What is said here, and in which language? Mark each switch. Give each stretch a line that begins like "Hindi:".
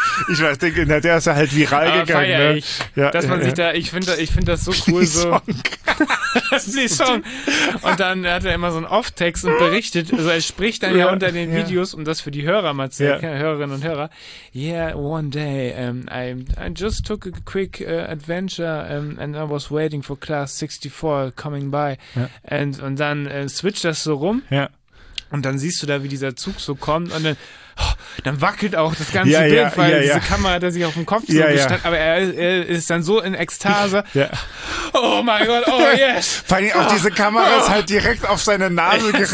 German: Ich weiß, der ist ja halt viral gegangen. Feier ich. Ja, dass man sich da, ich finde das so cool. Lee Song. Lee Song. Und dann hat er immer so einen Off-Text und berichtet, also er spricht dann ja unter den Videos, um das für die Hörer mal zu sagen, Hörerinnen und Hörer.
English: Yeah, one day, I just took a quick adventure and I was waiting for class 64 coming by.
German: Ja. Und dann switcht das so rum. Ja. Und dann siehst du da, wie dieser Zug so kommt und dann wackelt auch das ganze Bild, weil diese Kamera hat er sich auf dem Kopf gestanden. Ja. Aber er ist dann so in Ekstase. Ja. Oh mein Gott,
English: oh yes.
German: Vor allem auch diese Kamera ist halt direkt auf seine Nase gerichtet.